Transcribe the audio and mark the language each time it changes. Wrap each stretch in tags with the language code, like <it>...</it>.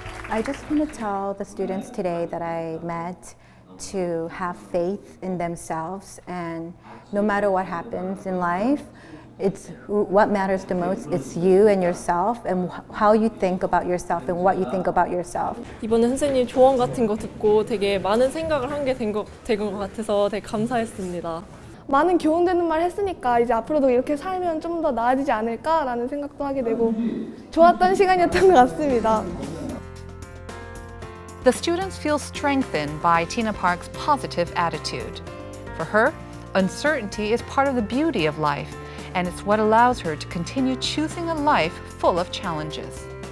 <en>I just want to tell the students today that I met to have faith in themselves, and no matter what happens in life, it's what matters the most. It's you and yourself, and how you think about yourself, and what you think about yourself.</en> <ko>이번에 선생님 조언 같은 거 듣고 되게 많은 생각을 한 게 된 것 같아서 되게 감사했습니다. 많은 교훈 되는 말 했으니까 이제 앞으로도 이렇게 살면 좀 더 나아지지 않을까라는 생각도 하게 되고 좋았던 시간이었던 것 같습니다.</ko> <en>The students feel strengthened by Tina Park's positive attitude. For her, uncertainty is part of the beauty of life. And it's what allows her to continue choosing a life full of challenges.</en>